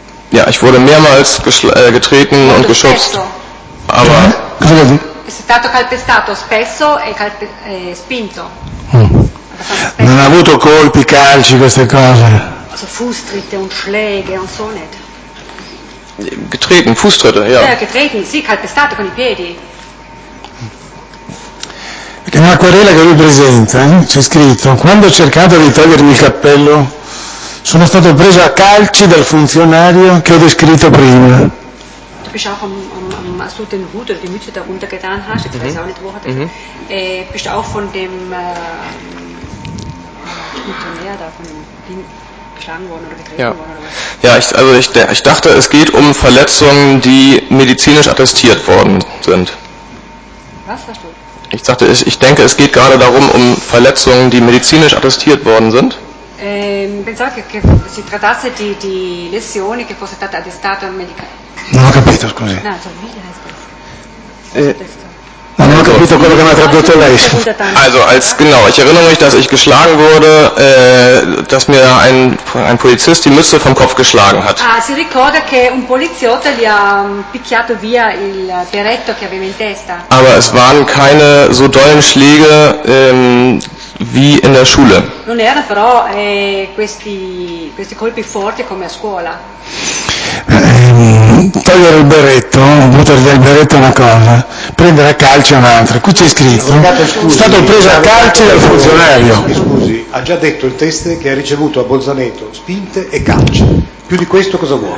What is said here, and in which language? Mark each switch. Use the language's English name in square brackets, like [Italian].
[German] Ja, ich wurde mehrmals getreten und geschubst. Aber. [Italian] È stato calpestato spesso e spinto. Non ha avuto colpi, calci, queste cose. [German] Also Fußtritte und Schläge und so nicht. Getreten, Fußtritte, ja. Ja, getreten, [Italian] sì, calpestato con i piedi. Perché nella querela che lui presenta, c'è scritto: quando ho cercato di togliermi il cappello, sono stato preso a calci dal funzionario che ho descritto prima. [German] Tu bist auch hast du den Hut oder die Mütze darunter getan hast, jetzt weiß ich auch nicht, wo hat er. Bist auch von dem Funktionär da von dem Ding geschlagen worden oder getreten worden? Ja, ich dachte, es geht um Verletzungen, die medizinisch attestiert worden sind. Was hast du? Ich dachte, ich denke, es geht gerade darum, um Verletzungen, die medizinisch attestiert worden sind. [Italian] Pensavo che si trattasse di lesioni che fosse stata attestata medicamente. Non ho capito, scusi. Non ho capito quello che mi ha tradotto lei. [German] Also, genau, ich erinnere mich, dass ich geschlagen wurde, dass mir ein Polizist die Mütze vom Kopf geschlagen hat. [Italian] Ah, si ricorda che un poliziotto gli ha picchiato via il berretto che aveva in testa. [German] Aber es waren keine so dollen Schläge wie in der Schule. [Italian] Non erano però questi colpi forti come a scuola. Togliere il berretto, buttare via il berretto è una cosa, prendere a calci è un'altra. Qui c'è scritto: è stato preso a calci dal funzionario. Scusi, ha già detto il teste che ha ricevuto a Bolzaneto spinte e calci. Più di questo cosa vuole?